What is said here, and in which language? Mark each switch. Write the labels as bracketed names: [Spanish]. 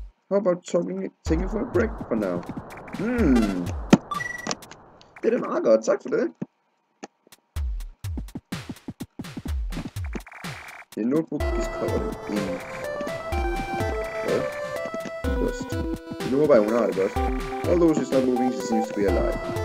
[English] How about talking, taking for a break for now? [Danish] Det er da meget godt, tak for det. [English] The notebook is covered in... [Danish] Hvad? [English] Dust. [Danish] Nu håber jeg, hun har det godt. [English] Although she's not moving, she seems to be alive.